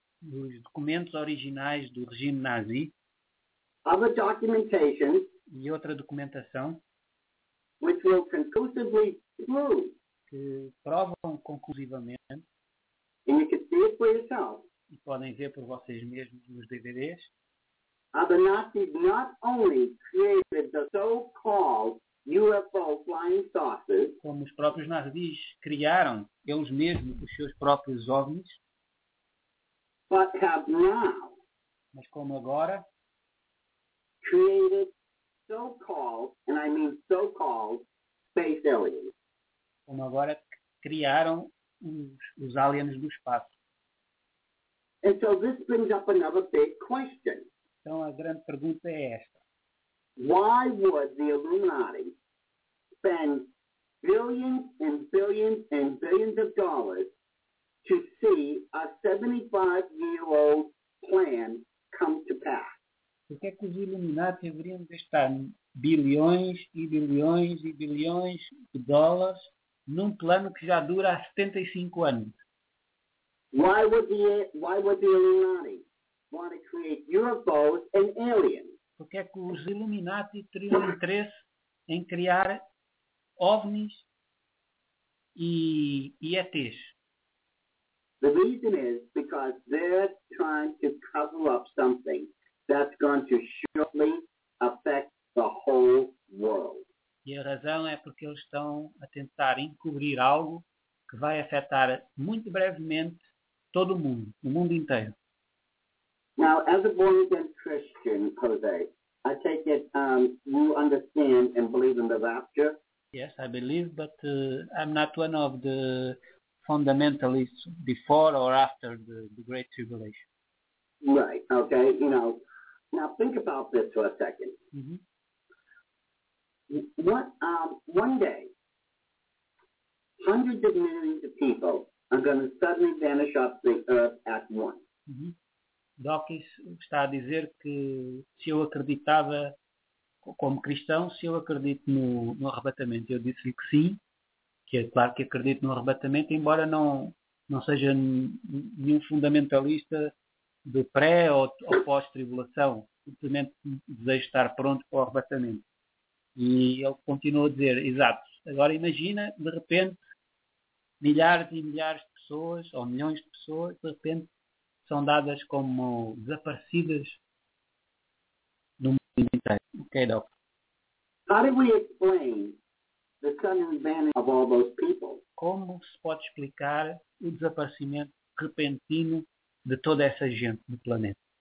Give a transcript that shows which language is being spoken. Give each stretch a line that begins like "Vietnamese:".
Portuguese: os documentos originais do regime nazi.
English: Other documentation,
Portuguese: e outra documentação.
English: Which will conclusively prove,
Portuguese: que provam conclusivamente,
English: and you can see it for yourself,
Portuguese: e podem ver por vocês mesmos nos DVDs,
English: how the Nazis not only created the so-called UFO flying saucers,
Portuguese: como os próprios nazis criaram eles mesmos os seus próprios OVNIs,
English: but have now,
Portuguese: mas como agora,
English: created so-called, and I mean so-called, space aliens.
Portuguese: Como agora criaram os aliens do espaço.
English: And so this brings up another big question.
Portuguese: Então a grande pergunta é esta.
English: Why would the Illuminati spend billions and billions and billions of dollars to see a 75-year-old plan come to pass?
Portuguese: Por que os Illuminati deveriam gastar bilhões e bilhões e bilhões de dólares num plano que já dura há 75 anos?
English: Why would the Illuminati want to create UFOs and aliens?
Portuguese: Por que os Illuminati teriam interesse em criar OVNIs e ETs?
English: The reason is because they're trying to cover up something that's going to surely affect the whole world.
Portuguese: E a razão é porque eles estão a tentar encobrir algo que vai afetar muito brevemente todo o mundo inteiro.
English: Now, as a born-again Christian, Jose, I take it you understand and believe in the rapture. Yes, I believe, but I'm not one of the fundamentalists before or after the Great Tribulation. Right, okay, you know. Now, think about this for a second. Mm-hmm. One day, hundreds of millions of people are going to suddenly vanish off the earth at once. Mm-hmm.
Portuguese: Dawkins está a dizer que se eu acreditava, como cristão, se eu acredito no arrebatamento. Eu disse-lhe que sim, que é claro que acredito no arrebatamento, embora não seja nenhum fundamentalista do pré ou pós-tribulação, simplesmente desejo estar pronto para o arrebatamento. E ele continuou a dizer, exato, agora imagina, de repente, milhares e milhares de pessoas, ou milhões de pessoas, de repente, são dadas como desaparecidas no mundo inteiro. Ok, Doc.
English: How do we explain the sudden vanishing of all those people?
Portuguese: Como se pode explicar o desaparecimento repentino de toda essa gente do planeta?